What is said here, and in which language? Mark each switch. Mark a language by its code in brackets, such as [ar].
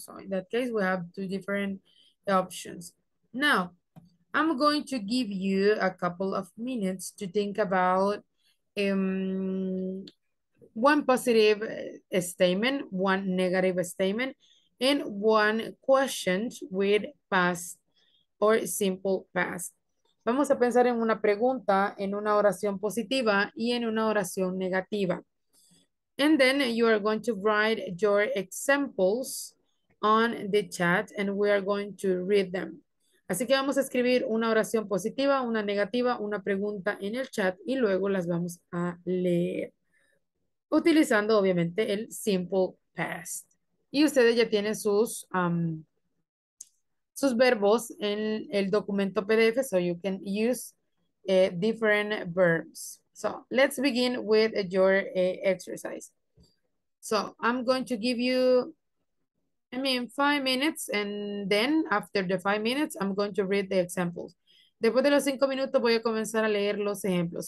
[en] So in that case, we have two different options. Now, I'm going to give you a couple of minutes to think about one positive statement, one negative statement, and one question with past or simple past. [es] Vamos a pensar en una pregunta, en una oración positiva y en una oración negativa. [en] And then you are going to write your examples on the chat and we are going to read them. [es] Así que vamos a escribir una oración positiva, una negativa, una pregunta en el chat y luego las vamos a leer. Utilizando obviamente el simple past. Y ustedes ya tienen sus sus verbos en el documento PDF, [en] so you can use different verbs. So let's begin with your exercise. So I'm going to give you, 5 minutes, and then after the 5 minutes, I'm going to read the examples. [es] Después de los 5 minutos, voy a comenzar a leer los ejemplos.